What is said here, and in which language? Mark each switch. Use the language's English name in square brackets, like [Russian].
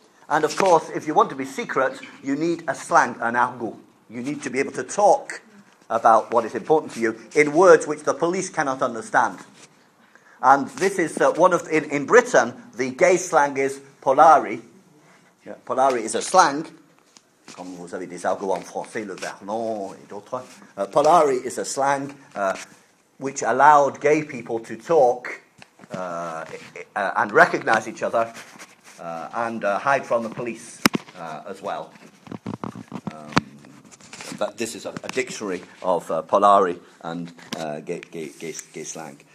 [English] And of course, if you want to be secret, you need a slang, an argot. You need to be able to talk about what is important to you in words which the police cannot understand. And this is in Britain, the gay slang is polari. Yeah. Polari is a slang. [French] Comme vous avez des argots en français, le Vernon et d'autres. [English] Polari is a slang which allowed gay people to talk and recognize each other and hide from the police as well. But this is a dictionary of polari and gay slang.